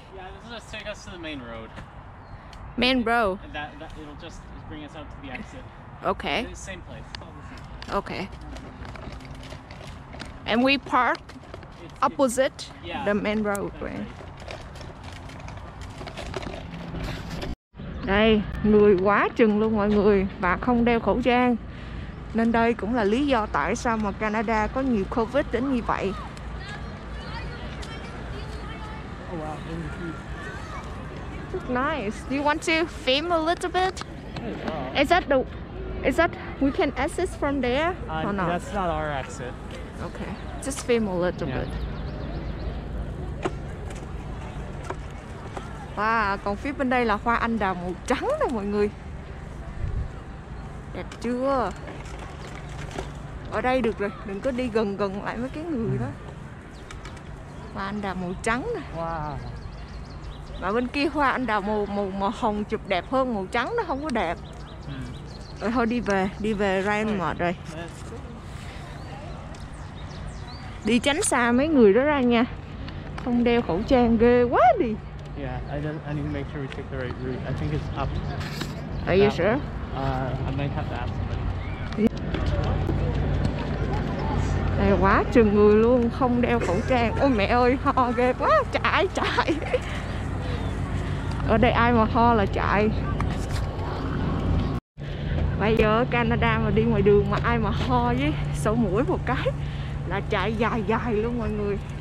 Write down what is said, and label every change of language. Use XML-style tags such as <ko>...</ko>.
<en>Yeah, just take us to the main road. Main road. That it'll just bring us out to the exit. Okay. Same place. It's all the same. Okay. And we park opposite the main road, right? Right.</en> <vi>Đây, người quá chừng luôn mọi người. Và không đeo khẩu trang. Nên đây cũng là lý do tại sao mà Canada có nhiều COVID đến như vậy.</vi> <en>Nice, do you want to film a little bit? Is that the... Is that... We can access from there? Or not? That's not our exit. Okay, just film a little bit.</en> <vi>Wow, còn phía bên đây là hoa anh đào màu trắng đó mọi người. Đẹp chưa? Ở đây được rồi, đừng có đi gần gần lại mấy cái người đó. Hoa anh đào màu trắng nè. Wow. Mà bên kia hoa anh đào màu hồng chụp đẹp hơn, màu trắng nó không có đẹp. Rồi thôi đi về Ryan mệt rồi. Đi tránh xa mấy người đó ra nha. Không đeo khẩu trang ghê quá đi.</vi> <en>Yeah, I need to make sure we take the right route. I think it's up. Are you sure? I might have to ask somebody.</en> <vi>Này quá trời người luôn, không đeo khẩu trang. Ôi mẹ ơi, ho ghê quá, chạy chạy. Ở đây ai mà ho là chạy. Bây giờ ở Canada mà đi ngoài đường mà ai mà ho với sổ mũi một cái là chạy dài dài luôn mọi người.</vi>